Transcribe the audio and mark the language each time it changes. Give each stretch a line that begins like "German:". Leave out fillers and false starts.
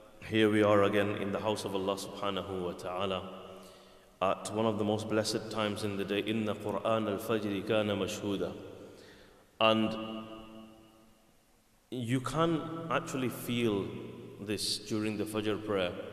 English: Here we are again in the house of Allah subhanahu wa ta'ala at one of the most blessed times in the day.
Arabic: إن قرآن الفجر كان مشهودا.
English: And you can actually feel this during the Fajr prayer.